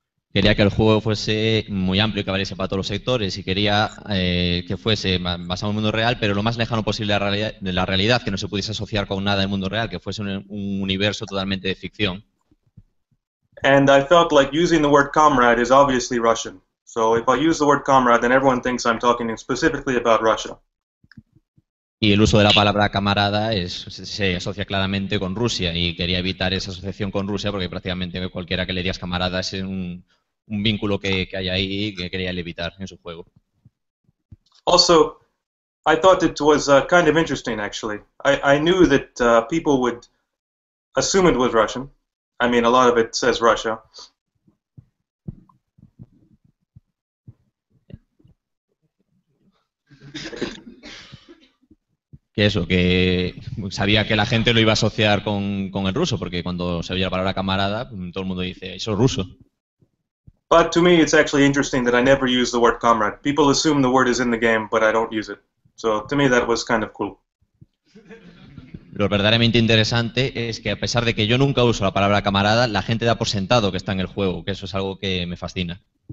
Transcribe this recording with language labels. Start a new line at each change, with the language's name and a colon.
Spanish: Quería que el juego fuese muy amplio y que valiese para todos los sectores, y quería que fuese basado en el mundo real, pero lo más lejano posible de la realidad, que no se pudiese asociar con nada del mundo real, que fuese un universo totalmente de ficción.
English: And I felt like using the word comrade is obviously Russian. So if I use the word comrade, then everyone thinks I'm talking specifically about Russia.
Spanish: Y el uso de la palabra camarada se asocia claramente con Rusia, y quería evitar esa asociación con Rusia, porque prácticamente cualquiera que le digas camarada es un vínculo que hay ahí que quería evitar en su juego.
English: Also, I thought it was kind of interesting, actually. I knew that people would assume it was Russian. I mean, a lot of it says Russia.
Spanish: Que eso, que sabía que la gente lo iba a asociar con el ruso, porque cuando se oye la palabra camarada, todo el mundo dice, eso es ruso.
English: But to me it's actually interesting that I never use the word comrade. People assume the word is in the game, but I don't use it. So to me that was kind of cool.
Spanish: Lo verdaderamente interesante es que a pesar de que yo nunca uso la palabra camarada, la gente da por sentado que está en el juego, que eso es algo que me fascina.